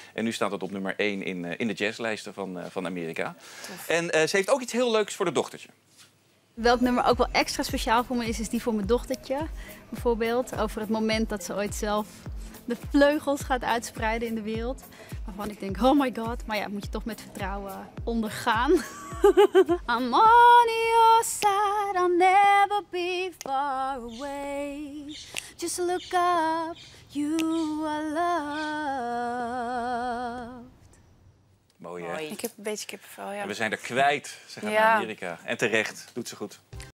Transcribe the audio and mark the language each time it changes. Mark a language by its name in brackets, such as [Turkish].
[Dutch] En nu staat het op nummer 1 in de jazzlijsten van Amerika. Tof. En ze heeft ook iets heel leuks voor de dochtertje. Welk nummer ook wel extra speciaal voor me is, is die voor mijn dochtertje. Bijvoorbeeld over het moment dat ze ooit zelf de vleugels gaat uitspreiden in de wereld. Waarvan ik denk, [English] oh my god. [Dutch] Maar ja, moet je toch met vertrouwen ondergaan. [English] I'm on your side, I'll never be far away. Just look up, you are loved. [Dutch] Mooi, hè? Ik heb een beetje kippenvel, ja. En we zijn er kwijt. Ze gaan naar Amerika. En terecht, doet ze goed.